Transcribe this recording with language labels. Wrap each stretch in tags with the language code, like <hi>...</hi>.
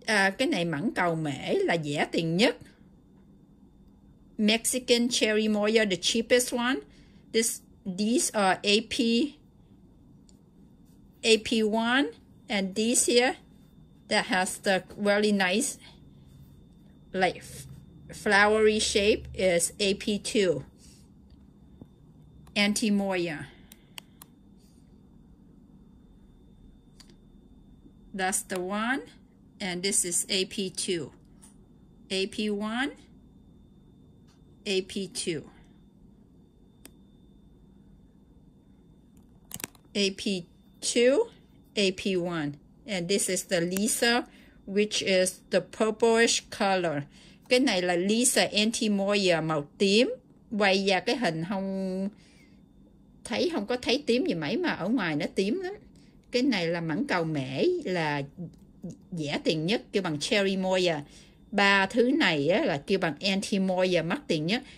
<vi>Cái này mãn cầu mễ là rẻ tiền nhất.</vi> <en>Mexican Cherry Moya, the cheapest one. These are AP1, and these here that has the really nice life flowery shape is AP2 Antimoya. That's the one, and this is AP2, AP1, AP2, AP2, AP1, and this is the Lisa, which is the purplish color.</en> <vi>Cái này là Lisa Antimoya màu tím. Quay ra cái hình không thấy, không có thấy tím gì mấy, mà ở ngoài nó tím lắm. Cái này là mãn cầu mễ, là rẻ tiền nhất, kêu bằng Cherry Moya. Ba thứ này á, là kêu bằng Antimoya, mắc tiền nhất.</vi>